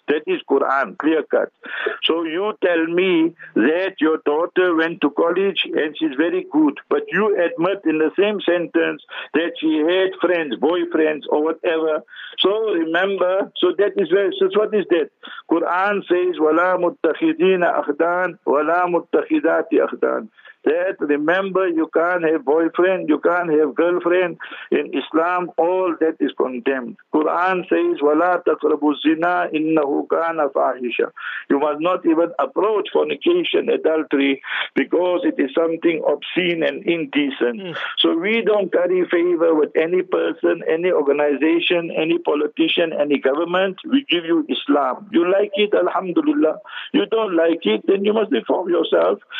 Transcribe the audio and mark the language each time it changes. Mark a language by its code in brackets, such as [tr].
[en] That is Quran, clear cut. So you tell me that your daughter went to college and she's very good, but you admit in the same sentence that she had friends, boyfriends or whatever. So remember, so that is where, so what is that? Quran says, [ar] وَلَا مُتَّخِذِينَ أَخْدَانَ وَلَا مُتَّخِذَاتِ أَخْدَانَ. [en] that remember you can't have boyfriend, you can't have girlfriend. In Islam, all that is condemned. Quran says, [ar] وَلَا تَقْرَبُوا الزِّنَا إِنَّهُ كَانَ فَاحِشًا. [en] You must not even approach fornication, adultery, because it is something obscene and indecent. Mm. So we don't curry favor with any person, any organization, any politician, any government. We give you Islam. You like it, alhamdulillah. You don't like it, then you must reform yourself.